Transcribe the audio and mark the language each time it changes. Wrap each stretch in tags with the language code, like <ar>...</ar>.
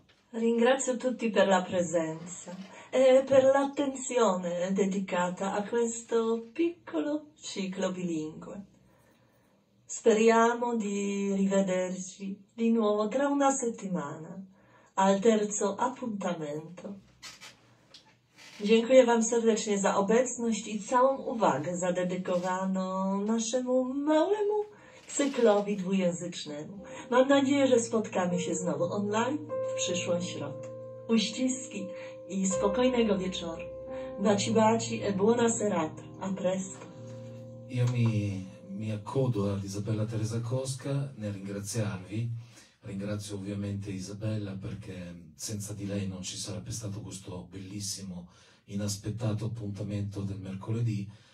<it>Ringrazio tutti per la presenza e per l'attenzione dedicata a questo piccolo ciclo bilingue. Speriamo di rivederci di nuovo tra una settimana al terzo appuntamento.</it> <pl>Dziękuję Wam serdecznie za obecność i całą uwagę zadedykowaną naszemu małemu cyklowi dwujęzycznemu. Mam nadzieję, że spotkamy się znowu online w przyszłą środę. Uściski i spokojnego wieczoru.</pl> <it>Baci baci e buona serata. A presto. Io mi accodo ad Isabella Teresa Cosca nel ringraziarvi. Ringrazio ovviamente Isabella, perché senza di lei non ci sarebbe stato questo bellissimo, inaspettato appuntamento del mercoledì.</it>